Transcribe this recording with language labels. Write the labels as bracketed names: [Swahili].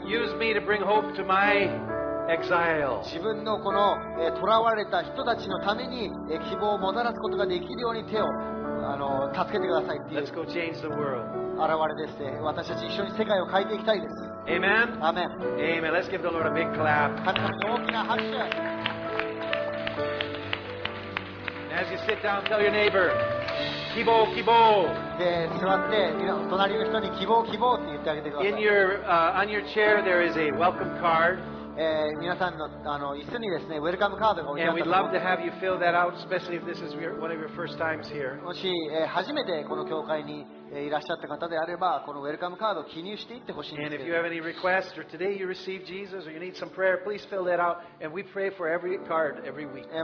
[English] Use me to bring hope to my exile. [Japanese] 自分のこの囚われた人たちのために希望をもたらすことができるように手を助けてくださいっていう。 [English] Let's go change the world. [Japanese] 現れですね。私たち一緒に世界を変えていきたいです。 [English] Amen. Amen. Amen. Let's give the Lord a big clap. [Japanese] 神様に大きな拍手。 [English] And as you sit down, tell your neighbor, [Japanese] 希望、希望。で、座って隣の人に希望、希望って言ってあげてください。 [English] In your, on your chair, there is a welcome card. [Japanese] 皆さん の, あの椅子にですね、ウェルカムカードが置いてあったと思うんです。 Out, もし、初めてこの教会にいらっしゃった方であれば、このウェルカムカードを記入していってほしいんですけど。 [English] Requests, Jesus, prayer, out, every card, every